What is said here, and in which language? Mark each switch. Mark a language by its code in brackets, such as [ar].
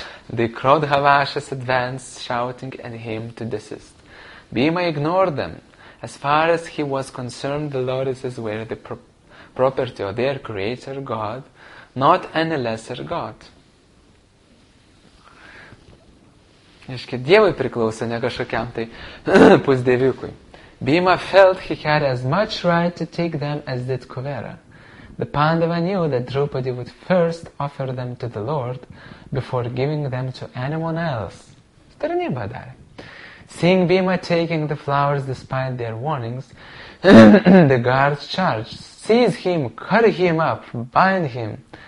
[en] The Krodhavashas advanced, shouting at him to desist. Bhima ignored them. As far as he was concerned, the lotuses were the property of their creator God, not any lesser God. [lt] Iškia, Dievui priklauso, ne kažkokiam tai pusdėviukui. [en] Bhima felt he had as much right to take them as did Kuvera. The Pandava knew that Draupadi would first offer them to the Lord before giving them to anyone else. [lt] Tarnyba darė. [en] Seeing Bhima taking the flowers despite their warnings, the guards charged, "Seize him, cut him up, bind him."